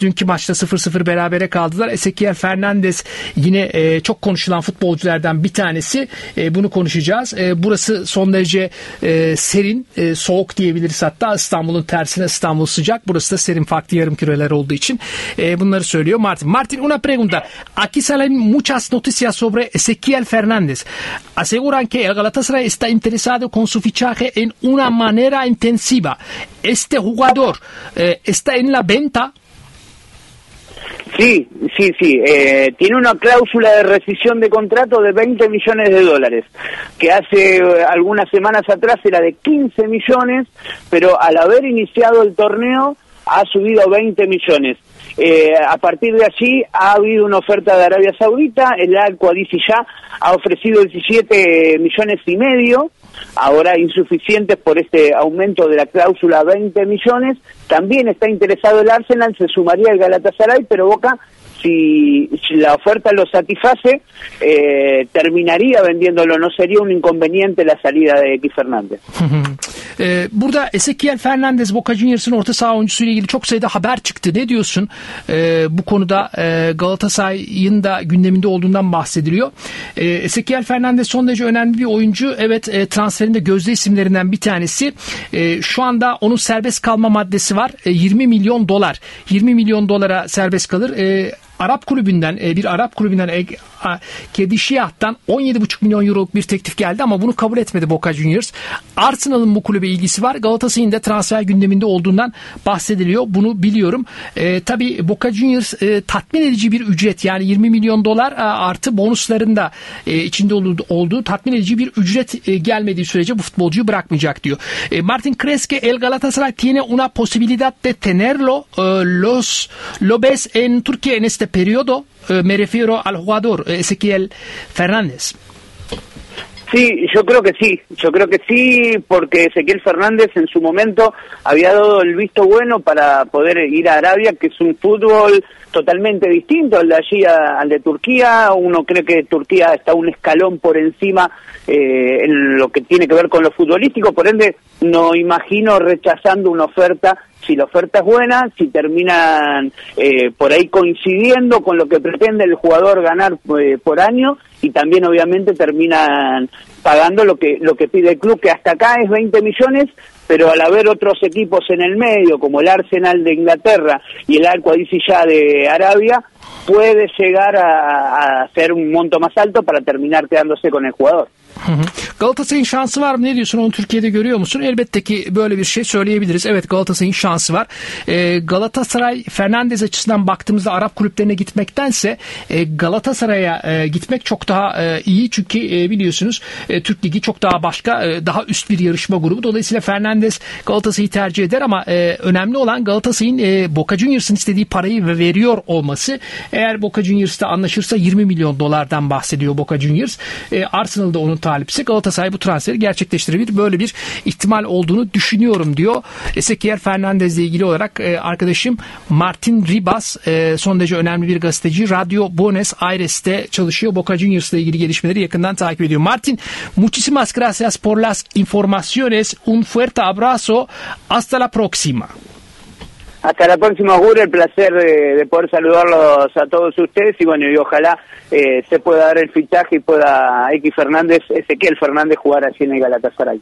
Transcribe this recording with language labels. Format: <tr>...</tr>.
<tr>Dünkü maçta 0-0 berabere kaldılar. Ezequiel Fernandez yine çok konuşulan futbolculardan bir tanesi. Bunu konuşacağız. Burası son derece serin, soğuk diyebiliriz hatta. İstanbul'un tersine İstanbul sıcak. Burası da serin, farklı yarım küreler olduğu için bunları söylüyor Martin.</tr> <es>Martin, una pregunta. Aquí salen muchas noticias sobre Ezequiel Fernández. Aseguran que el Galatasaray está interesado con su fichaje en una manera intensiva. ¿Este jugador está en la venta? Sí, sí, sí. Tiene una cláusula de rescisión de contrato de 20 millones de dólares, que hace algunas semanas atrás era de 15 millones, pero al haber iniciado el torneo ha subido 20 millones. A partir de allí ha habido una oferta de Arabia Saudita, el Al-Qadisi ya ha ofrecido 17 millones y medio, ahora insuficientes por este aumento de la cláusula a 20 millones. También está interesado el Arsenal, se sumaría el Galatasaray, pero Boca, si la oferta lo satisface, terminaría vendiéndolo. No sería un inconveniente la salida de X Fernández.</es> <tr>Burada Ezequiel Fernández, Boca Juniors'un orta saha oyuncusuyla ilgili çok sayıda haber çıktı. Ne diyorsun? Bu konuda Galatasaray'ın da gündeminde olduğundan bahsediliyor. Ezequiel Fernández son derece önemli bir oyuncu. Evet, transferinde gözde isimlerinden bir tanesi. Şu anda onun serbest kalma maddesi var. 20 milyon dolar. 20 milyon dolara serbest kalır. Arap kulübünden, bir Arap kulübünden Kedişiyah'tan 17,5 milyon euroluk bir teklif geldi ama bunu kabul etmedi Boca Juniors. Arsenal'ın bu kulübe ilgisi var. Galatasaray'ın da transfer gündeminde olduğundan bahsediliyor. Bunu biliyorum. Tabii Boca Juniors tatmin edici bir ücret, yani 20 milyon dolar artı bonuslarında içinde olduğu tatmin edici bir ücret gelmediği sürece bu futbolcuyu bırakmayacak diyor.</tr> <es>Martin Kreske, el Galatasaray tiene una posibilidad de tenerlo los ves en Turquía en este periodo. Me refiero al jugador Ezequiel Fernández. Sí, yo creo que sí. Yo creo que sí, porque Ezequiel Fernández en su momento había dado el visto bueno para poder ir a Arabia, que es un fútbol totalmente distinto al de allí, al de Turquía. Uno cree que Turquía está un escalón por encima en lo que tiene que ver con lo futbolístico. Por ende, no imagino rechazando una oferta. Si la oferta es buena, si terminan por ahí coincidiendo con lo que pretende el jugador ganar por año, y también obviamente terminan pagando lo que pide el club, que hasta acá es 20 millones, pero al haber otros equipos en el medio, como el Arsenal de Inglaterra y el Al-Qadisi ya de Arabia, puede llegar a hacer un monto más alto para terminar quedándose con el jugador.</es> <tr>Galatasaray'ın şansı var mı? Ne diyorsun? Onu Türkiye'de görüyor musun? Elbette ki böyle bir şey söyleyebiliriz. Evet, Galatasaray'ın şansı var. Galatasaray Fernandez açısından baktığımızda Arap kulüplerine gitmektense Galatasaray'a gitmek çok daha iyi. Çünkü biliyorsunuz Türk Ligi çok daha başka, daha üst bir yarışma grubu. Dolayısıyla Fernandez Galatasaray'ı tercih eder ama önemli olan Galatasaray'ın Boca Juniors'ın istediği parayı veriyor olması. Eğer Boca Juniors'ta anlaşırsa 20 milyon dolardan bahsediyor Boca Juniors. Arsenal'da onun talipse Galatasaray bu transferi gerçekleştirebilir. Böyle bir ihtimal olduğunu düşünüyorum diyor. Ezequiel Fernandez'le ilgili olarak arkadaşım Martin Ribas, son derece önemli bir gazeteci. Radio Buenos Aires'te çalışıyor. Boca Juniors'la ilgili gelişmeleri yakından takip ediyor.</tr> <es>Martin, muchísimas gracias por las informaciones. Un fuerte abrazo. Hasta la próxima. Hasta la próxima, Gure. El placer de poder saludarlos a todos ustedes. Y bueno, y ojalá se pueda dar el fichaje y pueda X Fernández, Ezequiel Fernández, jugar así en el Galatasaray.</es>